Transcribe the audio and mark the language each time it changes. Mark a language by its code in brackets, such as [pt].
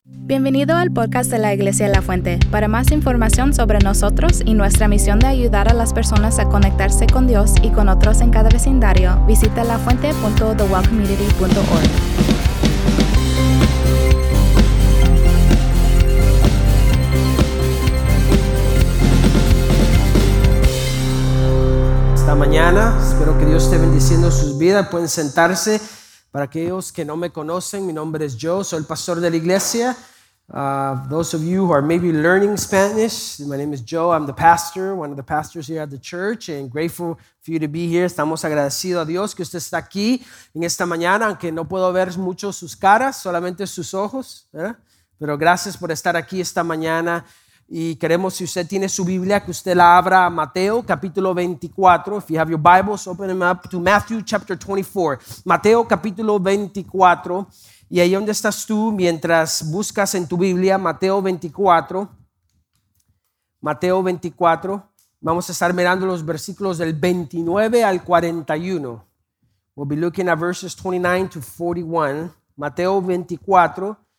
[es] Bienvenido al podcast de la Iglesia La Fuente. Para más información sobre nosotros y nuestra misión de ayudar a las personas a conectarse con Dios y con otros en cada vecindario, visita lafuente.thewellcommunity.org. Esta mañana, espero que Dios esté bendiciendo sus vidas. Pueden sentarse. Para aquellos que no me conocen, mi nombre es Joe, soy el pastor de la iglesia. [en] Those of you who are maybe learning Spanish, my name is Joe. I'm the pastor, one of the pastors here at the church, and grateful for you to be here. [es] Estamos agradecidos a Dios que usted está aquí en esta mañana, aunque no puedo ver mucho sus caras, solamente sus ojos, ¿eh? Pero gracias por estar aquí esta mañana. Y queremos, si usted tiene su Biblia, que usted la abra a Mateo capítulo 24. [en] If you have your Bibles, open them up to Matthew chapter 24. [es] Mateo capítulo 24. Y ahí donde estás tú, mientras buscas en tu Biblia, Mateo 24. Mateo 24. Vamos a estar mirando los versículos del 29 al 41. [en] We'll be looking at verses 29 to 41. Mateo 24.